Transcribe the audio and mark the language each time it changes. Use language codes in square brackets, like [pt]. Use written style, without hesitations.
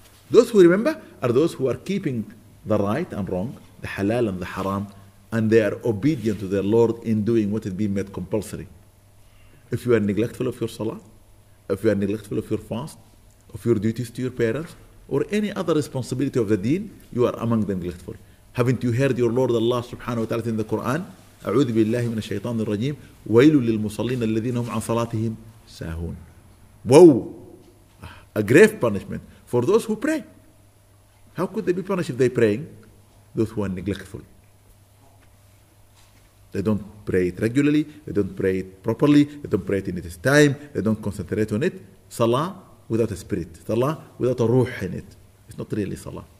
[en] Those who remember are those who are keeping the right and wrong, the halal and the haram, and they are obedient to their Lord in doing what has been made compulsory. If you are neglectful of your salah, if you are neglectful of your fast, of your duties to your parents, or any other responsibility of the deen, you are among the neglectful. Haven't you heard your Lord Allah subhanahu wa ta'ala in the Quran? [ar] أعوذ بالله من الشيطان الرجيم ويل للمصلين الذين هم عن صلاتهم ساهون. [en] Whoa! A grave punishment for those who pray. How could they be punished if they're praying? Those who are neglectful. They don't pray it regularly. They don't pray it properly. They don't pray it in its time. They don't concentrate on it. Salah without a spirit. Salah without a ruh in it. It's not really salah.